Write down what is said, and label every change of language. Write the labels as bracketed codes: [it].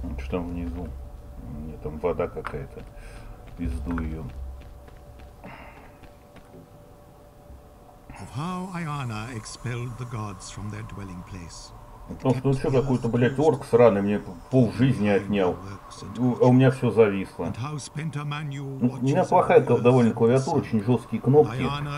[ru] Там внизу, мне там вода какая-то, пизду ее. [en] Of how Iana expelled the gods from their dwelling place. [ru] Потому что еще какой-то, блядь, орк сраный мне пол жизни отнял, а у меня все зависло. У меня плохая довольно клавиатура, очень жесткие кнопки.